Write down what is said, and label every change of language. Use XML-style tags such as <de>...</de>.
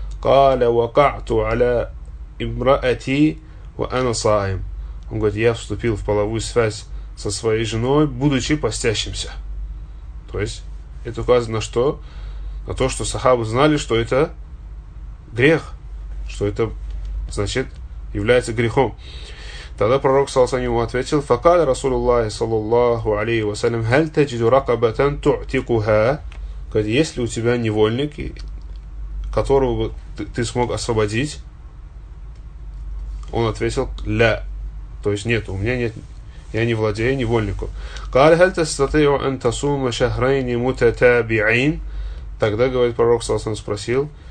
<ar>قال وقعت على امرأتي وأنا صائم.</ar> <ru>Он говорит: я вступил в половую связь со своей женой, будучи постящимся. То есть это указывает на что? На то, что сахабы знали, что это грех, что это, значит, является грехом. Тогда пророк саллаллаху алейхи ва саллям ответил:</ru> <ar>فقال رسول الله صلى الله عليه وسلم هل تجد رقبة تعتقها.</ar> <ru>Говорит: есть ли у тебя невольник, которого бы ты смог освободить? Он ответил: ля. То есть нет, у меня нет, я не владею невольником.</ru> <ar>قال هل تستطيع أن تصوم شهرين متتابعين.</ar> <ru>Тогда, говорит пророк саллаллаху алейхи ва саллям, спросил:</ru>